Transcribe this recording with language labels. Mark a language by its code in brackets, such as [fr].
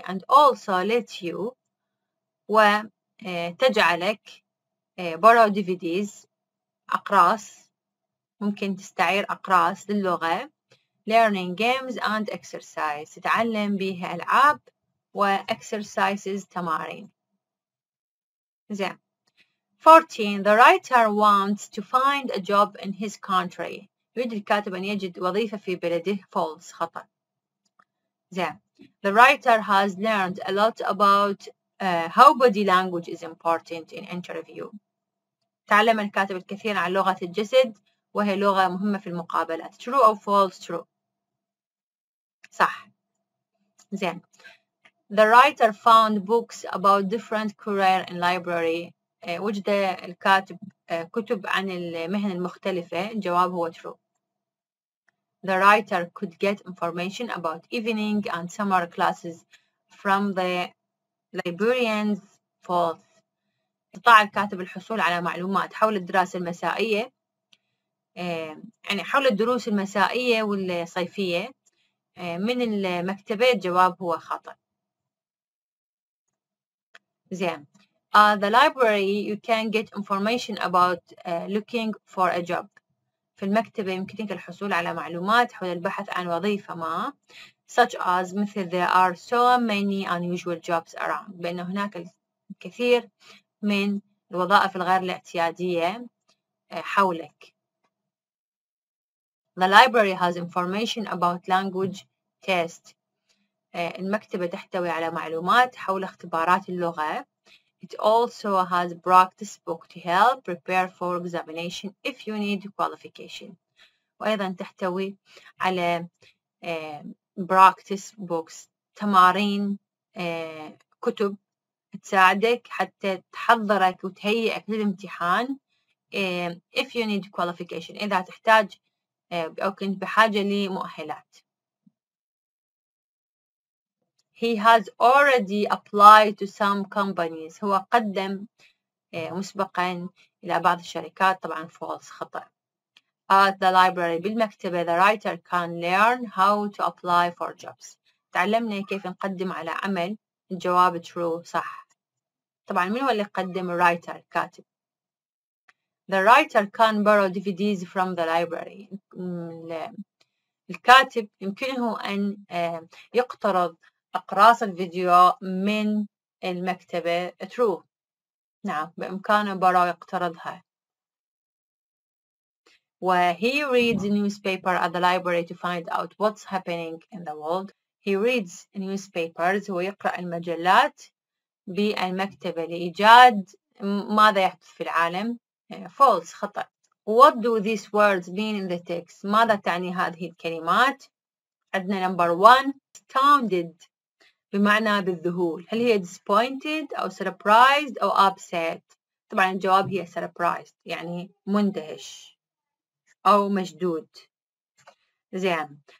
[en] And also let you [ar] وتجعلك [en] borrow DVDs, أقراص. [ar] ممكن تستعير أقراص للغة. [en] Learning games and exercise. [ar] تتعلم بها ألعاب وexercises تمارين. زين. 14. [en] The writer wants to find a job in his country. [ar] يريد الكاتب أن يجد وظيفة في بلده. False. خطأ. زين. [en] The writer has learned a lot about how body language is important in interview. [ar] تعلم الكاتب الكثير عن لغة الجسد وهي لغة مهمة في المقابلات. [en] True or false? True. [ar] صح. زين. [en] The writer found books about different career in library. [ar] وجد الكاتب كتب عن المهن المختلفة. الجواب هو true. [en] The writer could get information about evening and summer classes from the librarians. False. [ar] استطاع الكاتب الحصول على معلومات حول الدراسة المسائية، يعني حول الدروس المسائية والصيفية من المكتبة. الجواب هو خطأ. زين. [en] The library you can get information about looking for a job. [ar] في المكتبة يمكنك الحصول على معلومات حول البحث عن وظيفة ما. [en] Such as مثل there are so many unusual jobs around. [ar] بأن هناك الكثير من الوظائف الغير الاعتيادية حولك. [en] The library has information about language test. [ar] المكتبة تحتوي على معلومات حول اختبارات اللغة. [en] It also has practice book to help prepare for examination if you need qualification. [ar] وأيضا تحتوي على [en] practice books [ar] تمارين كتب تساعدك حتى تحضرك وتهيئك للامتحان [en] if you need qualification. [ar] إذا تحتاج أو كنت بحاجة لمؤهلات. [en] He has already applied to some companies. [ar] هو قدم مسبقا إلى بعض الشركات. طبعا false. خطأ. [en] At the library بالمكتبة the writer can learn how to apply for jobs. [ar] تعلمنا كيف نقدم على عمل. الجواب true. صح. طبعا من هو اللي قدم؟ writer كاتب. [en] The writer can borrow DVDs from the library. [ar] الكاتب يمكنه أن يقترض أقراص الفيديو من المكتبة. [en] True. [ar] نعم، بإمكانه براو يقترضها. [en] و he reads newspaper at the library to find out what's happening in the world. He reads newspapers. [ar] هو يقرأ المجلات بالمكتبة لإيجاد ماذا يحدث في العالم. False. خطأ. [en] What do these words mean in the text? [ar] ماذا تعني هذه الكلمات؟ عندنا [en] number one, astounded, [ar] بمعنى بالذهول. هل هي disappointed أو surprised أو upset؟ طبعاً الجواب هي surprised، يعني مندهش أو مشدود. زين.